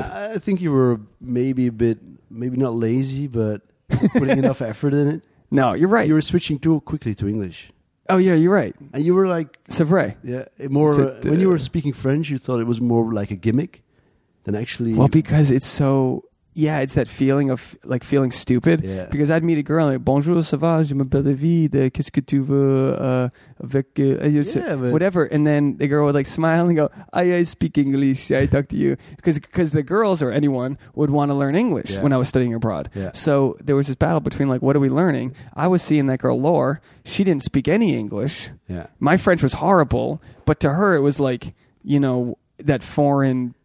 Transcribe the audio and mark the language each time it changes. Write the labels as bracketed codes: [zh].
[en] I think you were maybe a bit, maybe not lazy, but putting enough effort in it. No, you're right. You were switching too quickly to English. Oh, yeah, you're right. And you were like... [fr] C'est vrai. [en] Yeah, more... when you were speaking French, you thought it was more like a gimmick than actually... Well, because it's so... Yeah, it's that feeling of, like, feeling stupid. Yeah. Because I'd meet a girl, like, [fr] bonjour, ça va, je m'appelle David, qu'est-ce que tu veux, avec, [en] whatever. And then the girl would, like, smile and go, I speak English, I talk to you. Because the girls or anyone would want to learn English when I was studying abroad. Yeah. So there was this battle between, like, what are we learning? I was seeing that girl, Laure, she didn't speak any English. Yeah. My French was horrible, but to her it was like, you know, that foreign...